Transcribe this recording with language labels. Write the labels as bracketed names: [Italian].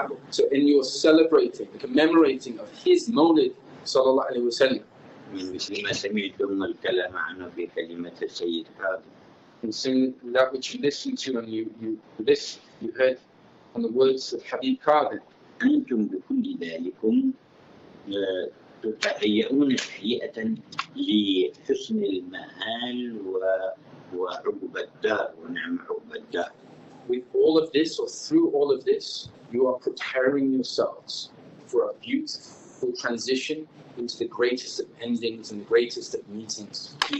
[English] So in your celebrating, commemorating of his Mawlid, sallallahu alayhi wa sallam, [Arabic] من مثل ما سمعتم الكلام عنه في كلمة السيد هذا, [English] in saying that which you listen to and you heard on the words of Habib Kadhim, [Arabic] أنتم بكل ذلكم تتهيئون تهيئة لحسن المآل وعقبى الدار ونعم عقبى الدار. [English] With all of this, or through all of this, you are preparing yourselves for a beautiful transition into the greatest of endings and the greatest of meetings.